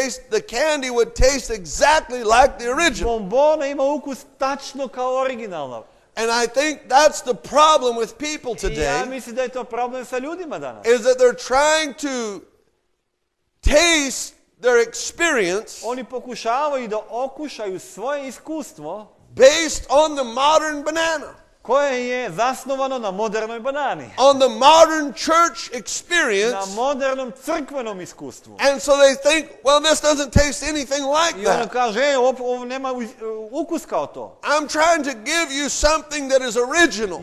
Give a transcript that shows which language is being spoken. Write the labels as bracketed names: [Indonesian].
[English] the candy would taste exactly like the original. [Serbian] Bombona ima ukus tačno kao originalna. [English] And I think that's the problem with people today. [Serbian] Ja mislim da je to problem sa ljudima danas. [English] Is that they're trying to taste their experience. [Serbian] Oni pokušavaju da okušaju svoje iskustvo. [English] Based on the modern banana. [Serbian] Koje je zasnovano na modernoj banani. [English] On the modern church experience. [Serbian] Na modernom crkvenom iskustvu. [English] And so they think, well, this doesn't taste anything like that. [Serbian] I ono kaže, ovo nema ukus kao to. [English] I'm trying to give you something that is original.